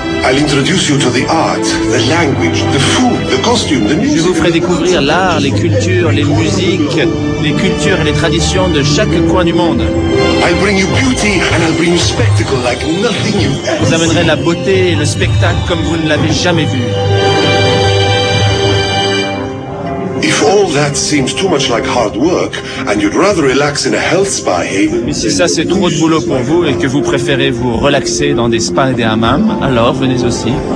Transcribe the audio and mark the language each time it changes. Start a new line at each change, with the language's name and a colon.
English: I'll introduce you to the art, the language, the food, the costume, the music.
French: Je vous ferai découvrir l'art, les cultures, les musiques, les cultures et les traditions de chaque coin du monde.
English: I'll bring you beauty and I'll bring you spectacle like nothing you've ever seen.
French: Vous amènerai la beauté et le spectacle comme vous ne l'avez jamais vu.
English: If all that seems too much like hard work and you'd rather relax in a health spa haven.
French: Mais si ça c'est trop de boulot pour vous et que vous préférez vous relaxer dans des spas et des hammams, alors venez aussi.